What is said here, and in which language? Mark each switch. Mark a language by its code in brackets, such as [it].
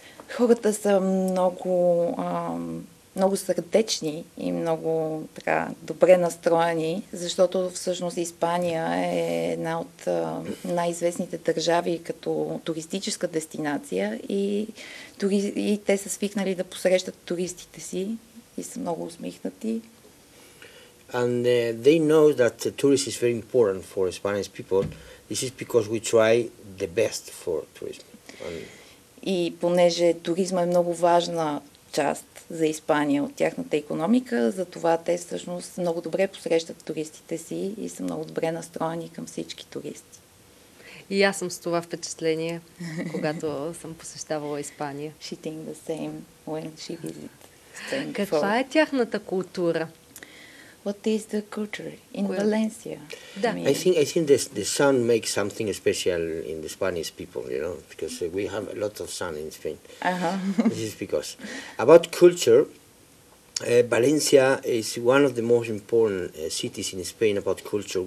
[bg] хората са много сърдечни и много така добре настроени, защото всъщност Испания е една от най-известните държави като туристическа дестинация и те са свикнали да посрещат туристите си и са много усмихнати. [en] And they know that tourism is very important for Spanish people. This is because we try the best for tourism. [bg] И понеже туризма е много важна част за Испания от тяхната икономика, затова те всъщност много добре посрещат туристите си и са много добре настроени към всички туристи. И аз съм с това впечатление, когато съм посещавала Испания. [en] She thinks the same when she visits Spain. [bg] Каква е тяхната култура? [en] What is the culture in Valencia? I think the sun makes something special in the Spanish people, you know, because we have a lot of sun in Spain. Uh-huh. This is because about culture, Valencia is one of the most important cities in Spain about culture.